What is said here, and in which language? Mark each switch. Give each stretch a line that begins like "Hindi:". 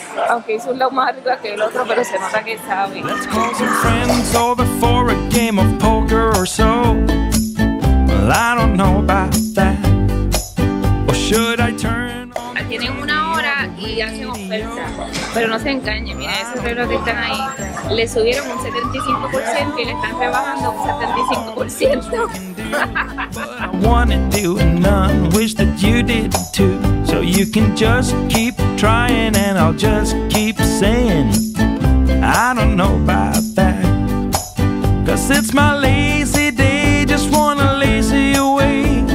Spanish: Aunque hizo un lado más arriba que el otro, pero se nota que sabe.
English: Let's call some friends over for a game of poker or so. Well, I don't know about that. Or should I turn?
Spanish: Tienen una hora y hacen oferta, pero no se engañen, miren esos reloj que están ahí. Le subieron un 75% y le están rebajando un 75%.
English: I want to do none, wish that you did too. So you can just keep trying and I'll just keep saying I don't know about that. Cause it's my lazy day, just wanna lazy away.